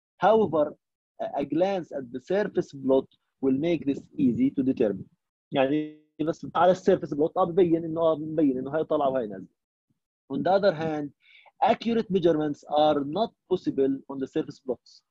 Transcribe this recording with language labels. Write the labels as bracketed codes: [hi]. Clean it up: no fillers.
[en] However, a glance at the surface plot will make this easy to determine. [ar] يعني بس على السيرفيس بلوت مبين انه هاي طالعه وهاي نازله. [en] On the other hand, accurate measurements are not possible on the surface plots.